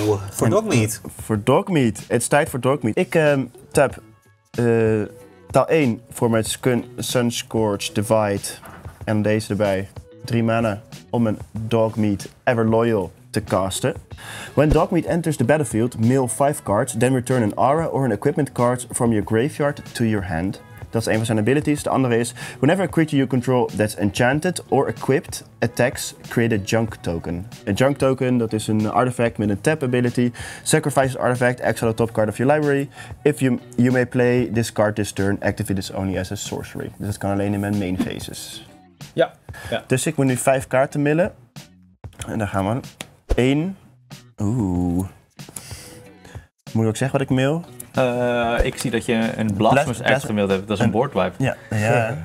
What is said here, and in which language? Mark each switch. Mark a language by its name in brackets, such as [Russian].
[Dutch] Voor Dogmeat. Voor Dogmeat. Het is tijd voor Dogmeat. Ik tap taal 1 voor mijn Sunscorch Divide. En deze erbij. 3 mana om een Dogmeat Ever Loyal te casten. [English] When Dogmeat enters the battlefield, mill 5 cards. Then return an aura or an equipment card from your graveyard to your hand. [Dutch] Dat is een van zijn abilities. De andere is, [English] whenever a creature you control that's enchanted or equipped attacks, create a junk token. [Dutch] A junk token, dat is een artifact met een tap ability. [English] Sacrifice artifact, exile the top card of your library. If you may play this card this turn, activate this only as a sorcery. [Dutch] Dus dat kan alleen in mijn main phases. Ja. Ja. Dus ik moet nu 5 kaarten millen. En daar gaan we. 1. Oeh. Moet ik ook zeggen wat ik mail? Ik zie dat je een Blasphemous Axe gemaild hebt. Dat is een board wipe. Ja, ja.